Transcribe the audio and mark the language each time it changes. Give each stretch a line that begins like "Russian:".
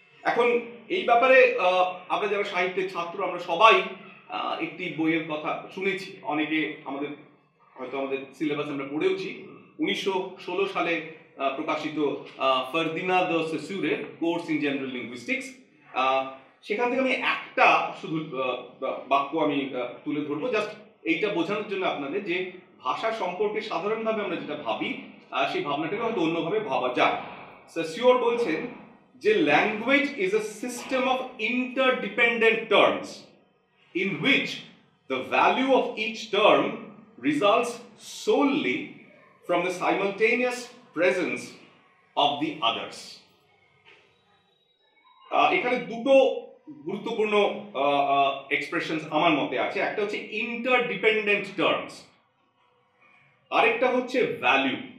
Bangla: এখন এই ব্যাপারে আমরা যারা সাহিত্যের ছাত্র আমরা সবাই একটি বইয়ের কথা শুনেছি, অনেকে আমাদের হয়তো আমাদের সিলেবাস আমরা পড়েওছি, 1916 সালে প্রকাশিত ফার্দিনা দো সেসুরের কোর্স ইন জেনারেল লিঙ্গুইস্টিক্স। সেখান থেকে আমি একটা শুধু বাক্য আমি তুলে ধরবো জাস্ট এইটা বোঝানোর জন্য আপনাদের যে ভাষা সম্পর্কে সাধারণভাবে আমরা যেটা ভাবি সেই ভাবনাটাকে হয়তো অন্যভাবে ভাবা যায়। সেসুর বলছেন যে
English: Language is a system of interdependent terms in which the value of each term results solely from the simultaneous presence of the others.
Bangla: এখানে দুটো গুরুত্বপূর্ণ expressions আমার মতে আছে, একটা হচ্ছে interdependent terms, আরেকটা হচ্ছে value.